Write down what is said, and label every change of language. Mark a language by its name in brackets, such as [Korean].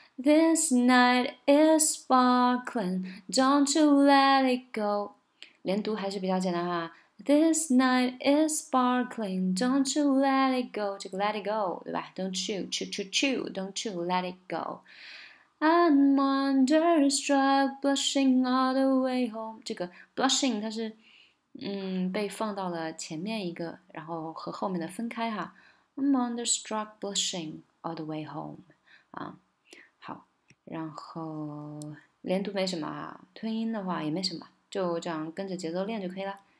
[English] This night is sparkling, don't you let it go. [Chinese] 连读还是比较简单哈。 [English] This night is sparkling, don't you let it go. [Chinese] 这个 [English] let it go, [Chinese] 对吧 [English] ?Don't you, choo choo choo, don't you let it go. I'm wonderstruck, blushing all the way home. [Chinese] 这个 blushing 它是被放到了前面一个，然后和后面的分开哈。 [English] I'm wonderstruck, blushing all the way home. [Chinese] 啊。然后连读没什么啊，吞音的话也没什么，就这样跟着节奏练就可以了。